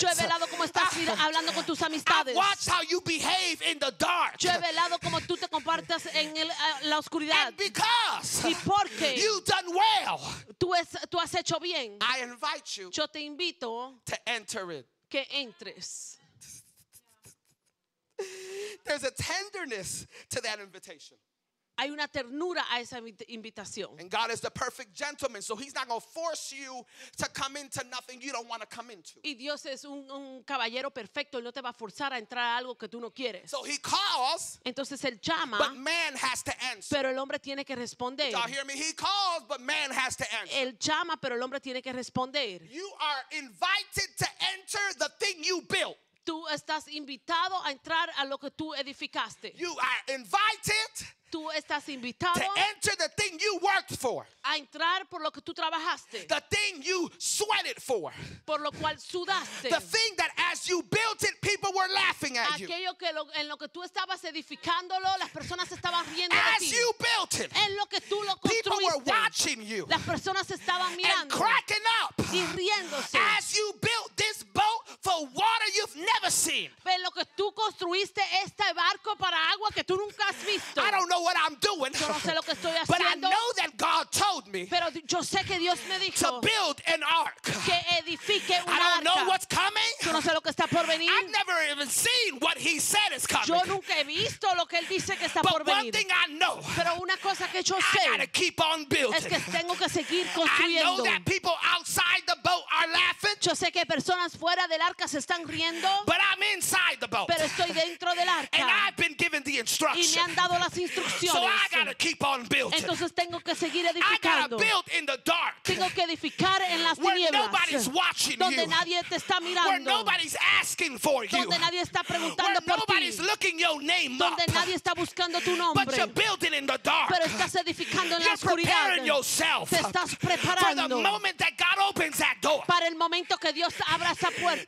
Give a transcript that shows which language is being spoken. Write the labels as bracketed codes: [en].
[es] Yo he velado cómo estás hablando con tus amistades. [en] I've watched how you behave in the dark. [es] Yo he velado como tú te compartas en la oscuridad. [en] And because [es] y porque [en] you've done well, [es] tú has hecho bien. [en] I invite you. [es] Yo te invito [en] to enter it. [es] Que entres. [en] There's a tenderness to that invitation. [es] Hay una ternura a esa invitación. [en] And God is the perfect gentleman, so he's not going to force you to come into nothing you don't want to come into. [es] Y Dios es un caballero perfecto, él no te va a forzar a entrar a algo que tú no quieres. [en] So he calls. [es] Entonces él llama. [en] But man has to answer. [es] Pero el hombre tiene que responder. [en] Y'all hear me? He calls, but man has to answer. [es] Él llama, pero el hombre tiene que responder. [en] You are invited to enter the thing you built. [es] Tú estás invitado a entrar a lo que tú edificaste. [en] You are invited. [es] Tú estás invitado [en] to enter the thing you worked for. [es] A entrar por lo que tú trabajaste. [en] The thing you sweated for. [es] Por lo cual sudaste. [en] The thing that as you built it, people were laughing at you. [es] Aquello que en lo que tú estabas edificándolo, las personas estaban riendo [en] as [es] de ti. [en] As you built it. [es] En lo que tú lo construiste. [en] People were watching you. [es] Las personas estaban mirando. [en] And cracking up. [es] Y riéndose. [en] As you built this boat for water you've never seen. [es] En lo que tú construiste este barco para agua que tú nunca has visto. [en] I don't know what I'm doing. [es] Yo no sé lo que estoy haciendo. [en] But I know that God told me. [es] Pero yo sé que Dios me dijo. [en] To build an ark. [es] Que edifique un arca. [en] I don't know what's coming. [es] Yo no sé lo que está por venir. [en] I've never even seen what he said is coming. [es] Yo nunca he visto lo que él dice que está por venir. [en] But one thing I know. [es] Pero una cosa que yo sé. [en] I gotta keep on building. [es] Es que tengo que seguir construyendo. [en] I know that people outside the boat are laughing. [es] Yo sé que personas fuera del arca se están riendo. [en] But I'm inside the boat. [es] Pero estoy dentro del arca. [en] And I've been given the instructions. [es] Y me han dado las instrucciones. [en] So I gotta keep on building. [es] Entonces tengo que seguir edificando. [en] I gotta build in the dark. [es] Tengo que edificar en las tinieblas. [en] Where nobody's watching you. [es] Donde nadie te está mirando. [en] Where nobody's asking for you. [es] Donde nadie está preguntando por ti. [en] Where nobody's looking your name up. [es] Donde nadie está buscando tu nombre. [en] But you're building in the dark. [es] Pero estás edificando en la oscuridad. [en] You're preparing yourself. [es] Te estás preparando. [en] For the moment that God opens that door. [es] Para el momento que Dios abra esa puerta.